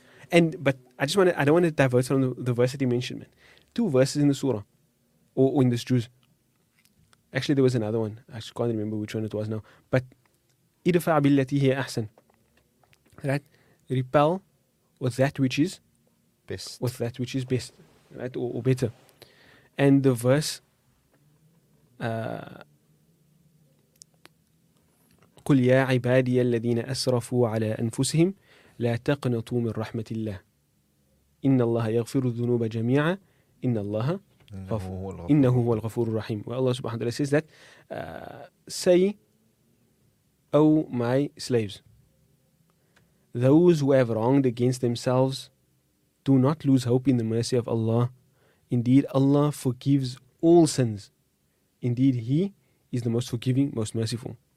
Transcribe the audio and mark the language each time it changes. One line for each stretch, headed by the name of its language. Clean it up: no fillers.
English: But I don't want to divert from the verse that he mentioned, man. Two verses in the surah or in this juice. Actually, there was another one. I just can't remember which one it was now. But
Arabic: idfa' billati hiya ahsan.
English: Right? Repel with that which is best. With that which is best. Right? Or better.
Arabic: And the verse, قُلْ يَا عِبَادِيَ الَّذِينَ أَسْرَفُوا عَلَىٰ أَنفُسِهِمْ لَا تَقْنَطُوا مِنْ رَحْمَةِ اللَّهِ إِنَّ اللَّهَ يَغْفِرُ الذُّنُوبَ جَمِيعًا إِنَّ اللَّهَ إِنَّهُ هُوَ الْغَفُورُ الرَّحِيمُ.
English: Well, Allah subhanahu wa ta'ala says that, say, O my slaves, those who have wronged against themselves, do not lose hope in the mercy of Allah. Indeed, Allah forgives all sins. Indeed, He is the most forgiving, most merciful.